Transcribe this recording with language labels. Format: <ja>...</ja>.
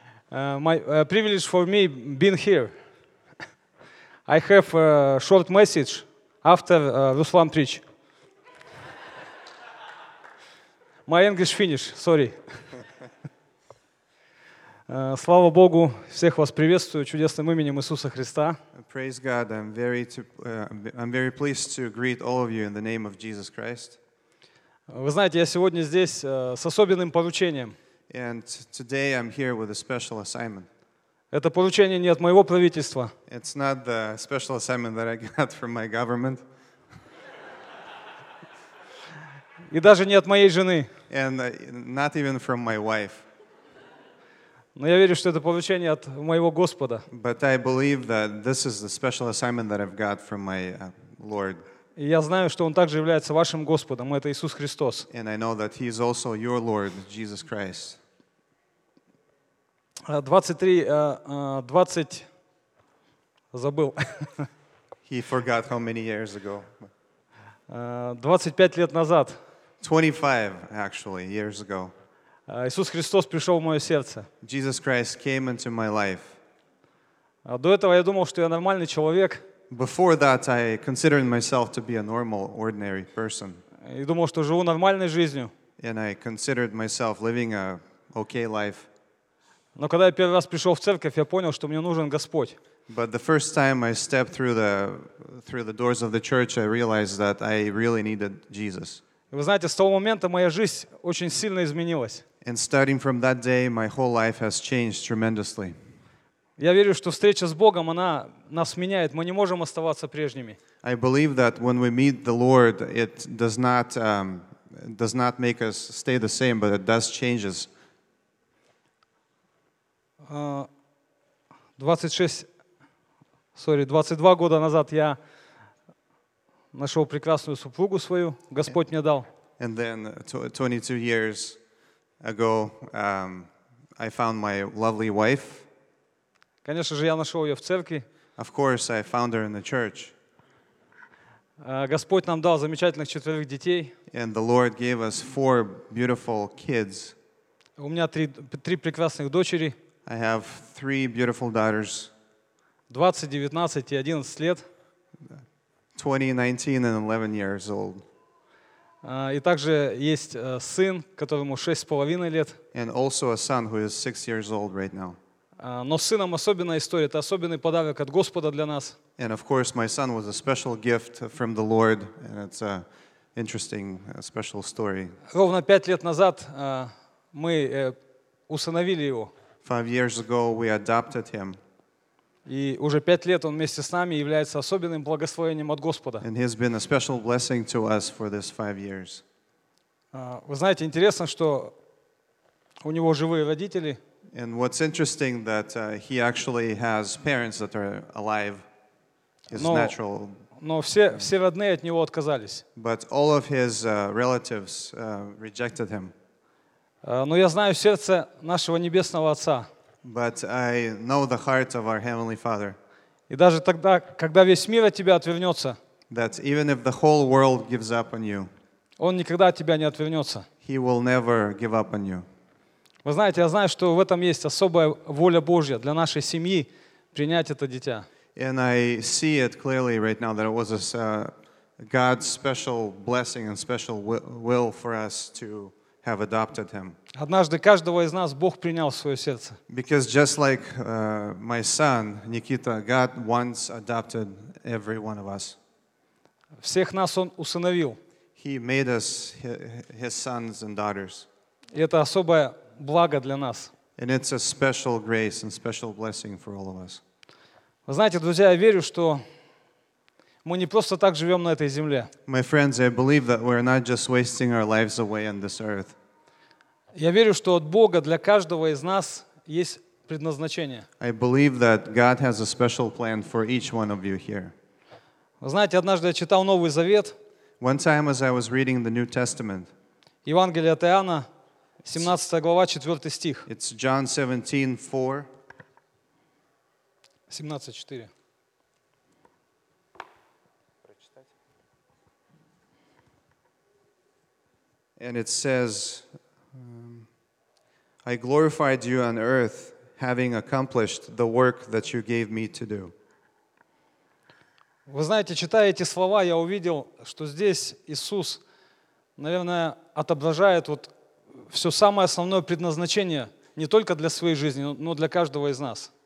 <en>My privilege for me being here. I have a short message after Ruslan preach. My English finish, sorry.</en> <ru>Слава Богу, всех вас приветствую чудесным именем Иисуса Христа.</ru> <en>Praise God. I'm very pleased to greet all of you in the name of Jesus Christ.</en> <ru>Вы знаете, я сегодня здесь с особенным поручением.</ru> <en>And today I'm here with a special assignment.</en> <ru>Это поручение не от моего правительства.</ru> <en>It's not the special assignment that I got from my government.</en> <ru>И даже не от моей жены.</ru> <en>And not even from my wife.</en> <ru>Но я верю, что это поручение от моего Господа.</ru> <en>But I believe that this is the special assignment that I've got from my Lord.</en> <ru>И я знаю, что Он также является вашим Господом, это Иисус Христос.</ru> <en>And I know that He is also your Lord, Jesus Christ.</en> <ru>23, 20, забыл.</ru> <en>He forgot how many years ago.</en> <ru>25 лет назад.</ru> <en>25, actually, years ago.</en> <ru>Иисус Христос пришел в мое сердце.</ru> <en>Jesus Christ came into my life.</en> <ru>До этого я думал, что я нормальный человек.</ru> <en>Before that, I considered myself to be a normal, ordinary person.</en> <ru>Я думал, что живу нормальной жизнью.</ru> <en>And I considered myself living an okay life.</en> <ru>Но когда я первый раз пришел в церковь, я понял, что мне нужен Господь.</ru> <en>But the first time I stepped through the doors of the church, I realized that I really needed Jesus.</en> <ru>Вы знаете, с того момента моя жизнь очень сильно изменилась.</ru> <en>And starting from that day, my whole life has changed tremendously.</en> <ru>Я верю, что встреча с Богом, она нас меняет. Мы не можем оставаться прежними.</ru> <en>I believe that when we meet the Lord, it does not make us stay the same, but it does change us.</en> <ru>22 года назад я нашел прекрасную супругу свою, Господь мне дал.</ru> <en>And then 22 years ago, I found my lovely wife.</en> <ru>Конечно же, я нашел ее в церкви.</ru> <en>Of course, I found her in the church.</en> <ru>Господь нам дал замечательных четверых детей.</ru> <en>And the Lord gave us four beautiful kids.</en> <ru>У меня три прекрасных дочери.</ru> <en>I have three beautiful daughters.</en> <ru>20, 19 и 11 лет.</ru> <en>20, 19 and 11 years old.</en> <ru>И также есть сын, которому 6.5 лет.</ru> <en>And also a son who is 6 years old right now.</en> <ru>Но с сыном особенная история, это особенный подарок от Господа для нас.</ru> <en>And of course, my son was a special gift from the Lord, and it's an interesting, special story.</en> <ru>Ровно 5 лет назад мы усыновили его.</ru> <en>5 years ago, we adopted him.</en> <ru>И уже 5 лет он вместе с нами является особенным благословением от Господа.</ru> <en>And he's been a special blessing to us for these 5 years.</en> <ru>Вы знаете, интересно, что у него живые родители.</ru> <en>And what's interesting that he actually has parents that are alive. It's natural.</en> <ru>Но все родные от него отказались.</ru> <en>But all of his relatives rejected him.</en> <ru>Но я знаю сердце нашего небесного Отца.</ru> <en>But I know the heart of our Heavenly Father.</en> <ru>И даже тогда, когда весь мир от тебя отвернется,</ru> <en>that even if the whole world gives up on you,</en> <ru>он никогда от тебя не отвернется.</ru> <en>He will never give up on you.</en> <ru>Вы знаете, я знаю, что в этом есть особая воля Божья для нашей семьи принять это дитя.</ru> <en>And I see it clearly right now that it was God's special blessing and special will for us to have adopted him.</en> <ru>Однажды каждого из нас Бог принял в свое сердце.</ru> <en>Because just like my son Nikita, God once adopted every one of us.</en> <ru>Всех нас он усыновил.</ru> <en>He made us his sons and daughters.</en> <ru>И это особое благо для нас.</ru> <en>And it's a special grace and special blessing for all of us.</en> <ru>Вы знаете, друзья, я верю, что мы не просто так живем на этой земле.</ru> <en>My friends, I believe that we're not just wasting our lives away on this earth.</en> <ru>Я верю, что от Бога для каждого из нас есть предназначение.</ru> <en>I believe that God has a special plan for each one of you here.</en> <ru>Вы знаете, однажды я читал Новый Завет.</ru> <en>One time as I was reading the New Testament.</en> <ru>Евангелие от Иоанна, 17 глава, 4 стих.</ru> <en>It's John 17, 4. 17:4. And it says, I glorified you on earth, having accomplished the work that you gave me to do.</en> <ru>Вы знаете, читая эти слова, я увидел, что здесь Иисус, наверное, отображает вот все самое основное предназначение не только для своей жизни, но для каждого из нас.</ru>